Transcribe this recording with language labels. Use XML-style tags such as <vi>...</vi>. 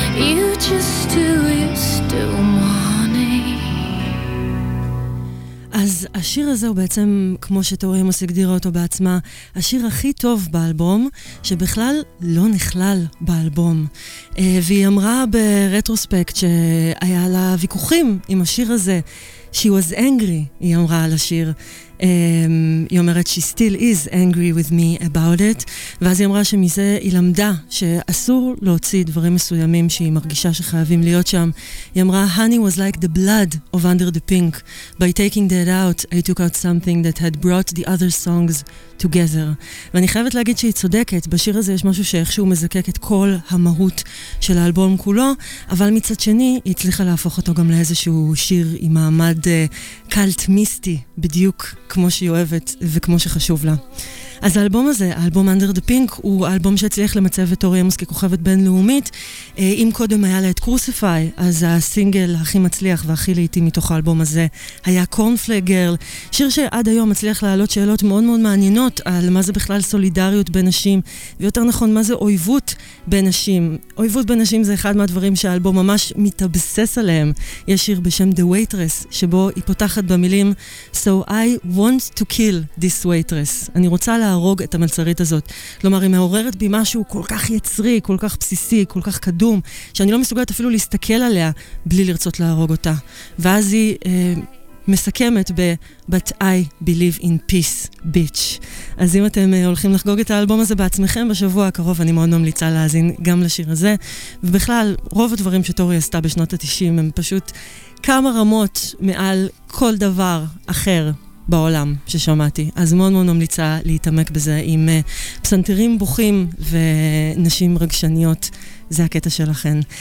<en>You just do you still want it.</en> <he>אז השיר הזה הוא בעצם, כמו שתורי מוס הגדירה אותו בעצמה, השיר הכי טוב באלבום, שבכלל לא נכלל באלבום. והיא אמרה ברטרוספקט שהיה לה ויכוחים עם השיר הזה,</he> <en>She was angry,</en> <he>היא אמרה על השיר. היא אומרת,</he> <en>She still is angry with me about it.</en> <he>ואז היא אמרה שמזה היא למדה שאסור להוציא דברים מסוימים שהיא מרגישה שחייבים להיות שם. היא אמרה,</he> <en>Honey was like the blood of Under the Pink. By taking that out, I took out something that had brought the other songs together.</en> <he>ואני חייבת להגיד שהיא צודקת. בשיר הזה יש משהו שאיכשהו מזקק את כל המהות של האלבום כולו, אבל מצד שני, היא הצליחה להפוך אותו גם לאיזשהו שיר עם מעמד קלט מיסטי, בדיוק כמו שהיא אוהבת וכמו שחשוב לה. אז האלבום הזה, האלבום Under the Pink, הוא אלבום שהצליח למצב את תורי אמוס ככוכבת בינלאומית. אם קודם היה לה את Crucify, אז הסינגל הכי מצליח והכי לעיתי מתוך האלבום הזה היה Cornflake Girl, שיר שעד היום מצליח להעלות שאלות מאוד מאוד מעניינות על מה זה בכלל סולידריות בין נשים, ויותר נכון, מה זה אויבות בין נשים. אויבות בין נשים זה אחד מהדברים שהאלבום ממש מתאבסס עליהם. יש שיר בשם The Waitress, שבו היא פותחת במילים,</he> <en>So I want to kill this waitress.</en> <he>אני רוצה להרוג את המלצרית הזאת. כלומר, היא מעוררת בי משהו כל כך יצרי, כל כך בסיסי, כל כך קדום, שאני לא מסוגלת אפילו להסתכל עליה בלי לרצות להרוג אותה. ואז היא מסכמת ב-</he> <en>But I believe in peace, bitch.</en> <he>אז אם אתם הולכים לחגוג את האלבום הזה בעצמכם בשבוע הקרוב, אני מאוד ממליצה להזין גם לשיר הזה. ובכלל, רוב הדברים שטורי עשתה בשנות ה-90 הם פשוט כמה רמות מעל כל דבר אחר בעולם ששמעתי. אז מאוד מאוד ממליצה להתעמק בזה עם פסנתרים בוכים ונשים רגשניות. זה הקטע שלכן.</he>